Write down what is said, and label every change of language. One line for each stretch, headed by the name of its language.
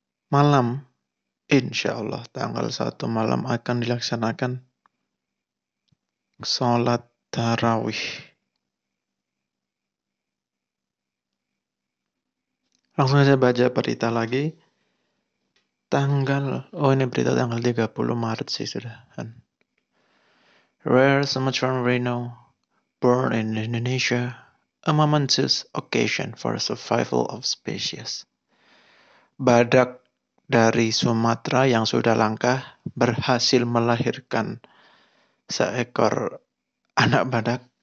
Indonesian: malam, insya Allah tanggal 1 malam akan dilaksanakan sholat tarawih. Langsung aja baca berita lagi. Ini berita tanggal 30 Maret sih sudah.
English: Rare Sumatran Reno, born in Indonesia, a momentous occasion for survival of species.
Indonesian: Badak dari Sumatera yang sudah langka berhasil melahirkan seekor anak badak.